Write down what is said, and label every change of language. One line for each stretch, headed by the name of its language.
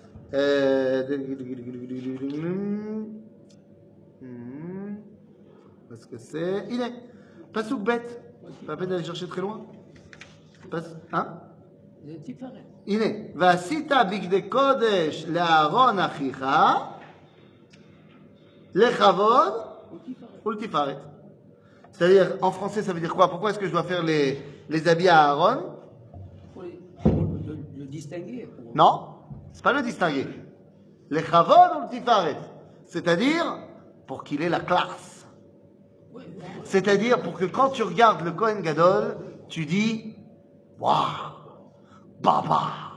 French: Parce que c'est... Il est passouk bête. Pas peine d'aller chercher très loin. Hein ?
Hebrew: הנה, ועשית בגדי קודש לארון אחיך לכבוד ולתפארת.
French: C'est-à-dire, en français, ça veut dire quoi? Pourquoi est-ce que je dois faire les habits à Aaron? Pour le distinguer. Non, c'est pas le distinguer.
Hebrew: Lechavod ultifaret.
French: C'est-à-dire, pour qu'il ait la classe. C'est-à-dire, pour que quand tu regardes le Kohen Gadol, tu dis, waouh, baba.